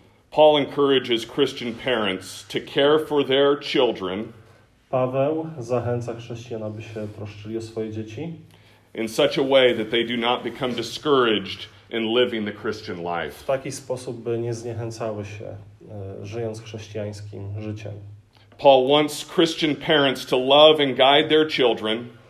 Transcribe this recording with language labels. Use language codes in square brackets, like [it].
[en] Paul encourages Christian parents to care for their children. [pl] Paweł zachęca chrześcijan, aby się troszczyli o swoje dzieci. [en] In such a way that they do not become discouraged in living the Christian life. [pl] W taki sposób, by nie zniechęcały się, żyjąc chrześcijańskim życiem. [en] Paul wants Christian parents to love and guide their children.